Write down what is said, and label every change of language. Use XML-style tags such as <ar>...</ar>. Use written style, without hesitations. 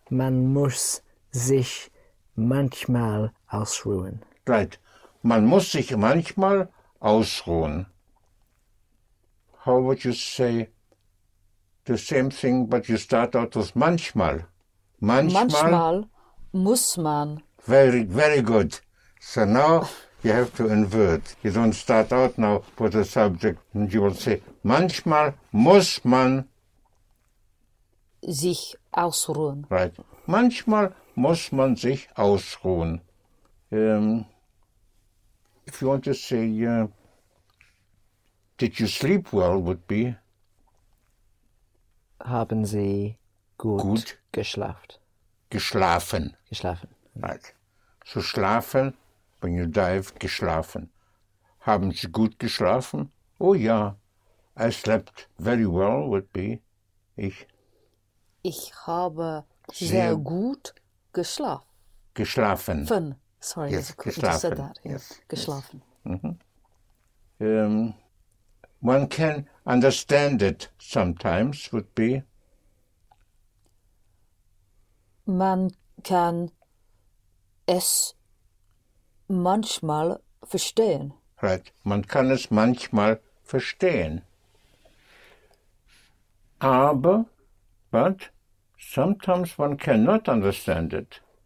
<de>Man muss sich manchmal ausruhen.</de> <en>Right.</en> <de>Man muss sich manchmal ausruhen.</de> <en>How would you say the same thing, but you start out with manchmal?</en> <de>Manchmal muss man.</de> <en>Very, very good. So now you have to invert. You don't start out now with the subject and you will say,</en> <de>manchmal muss man sich ausruhen.</de> <en>Right.</en> <de>Manchmal muss man sich ausruhen.</de> <en>If you want to say, did you sleep well, would be?</en> <de>Haben Sie gut geschlafen? Geschlafen. Geschlafen.</de> <en>Right.</en> <de>So schlafen,</de> <en>when you dive,</en> <de>geschlafen. Haben Sie gut geschlafen?</de> <en>Oh ja, I slept very well, would be ich.</en> <de>Ich habe sehr gut geschlafen. Geschlafen.</de> <en>Fun. Sorry, yes, geschlafen. I said that. Yes.</en> <de>Geschlafen. Mm-hmm.</de> <en>One can understand it sometimes, would be.</en> <de>Man kann es manchmal verstehen. Right, man kann es manchmal verstehen.</de> <en>But sometimes one cannot understand it.</en>